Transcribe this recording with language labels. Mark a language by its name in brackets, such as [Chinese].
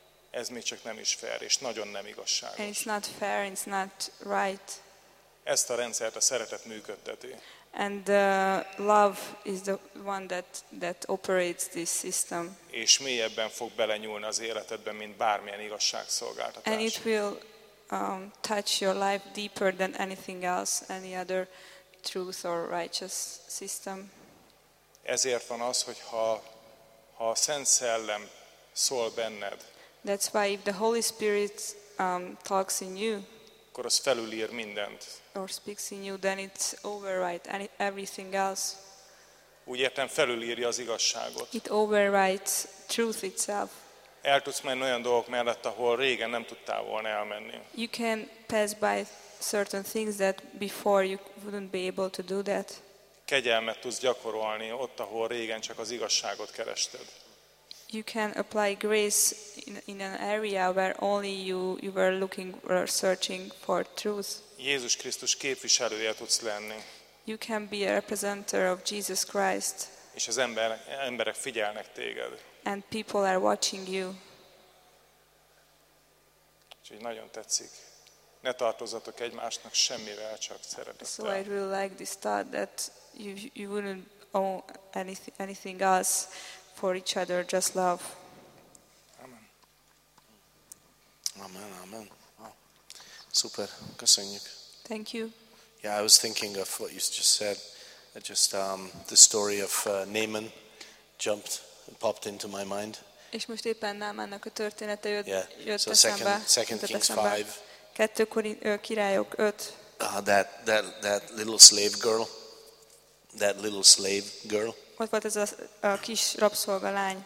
[Hungarian] Ez még csak nem is fair, és nagyon nem igazságos. [English] And it's not fair, it's not right. [Hungarian] Ezt a rendszert a szeretet működteti. [English] And love is the one that operates this system. [Hungarian] És mélyebben fog belenyúlni az életedben, mint bármilyen igazságszolgáltatás. [English] And it will touch your life deeper than anything else, any other truth or righteous system. [Hungarian] Ezért van az, hogy ha a Szent Szellem szól benned. [English] That's why if the Holy Spirit talks in you, [Hungarian] akkor az felülír mindent. [English] Or speaks in you, then it's override and everything else. [Hungarian] Úgy értem, felülírja az igazságot. [English] It overwrites truth itself. [Hungarian] El tudsz menni olyan dolgok mellett, ahol régen nem tudtál volna elmenni. [English] You can pass by certain things that before you wouldn't be able to do that. [Hungarian] Kegyelmet tudsz gyakorolni ott, ahol régen csak az igazságot kerested. [English] You can apply grace in an area where only you were looking or searching for truth. [Hungarian] Jézus Krisztus képviselője tudsz lenni. [English] You can be a representative of Jesus Christ. [Hungarian] És az emberek figyelnek téged. [English] And people are watching you. [Hungarian] Úgyhogy nagyon tetszik. Ne tartozzatok egymásnak semmivel, csak szeretettel. [English] So I really like this thought that you wouldn't owe anything else for each other, just love. Amen. [Hungarian] Amen, amen. Wow. Super. Köszönjük. [English] Thank you. Yeah, I was thinking of what you just said. Just the story of Naaman jumped and popped into my mind. [Hungarian] És most éppen Naamannak a története jött eszembe. [English] Yeah, so Second Kings 5. [Hungarian] Kettő királyok 5. [English] That little slave girl. That little slave girl. [Hungarian] Ott volt ez a kis rabszolgalány.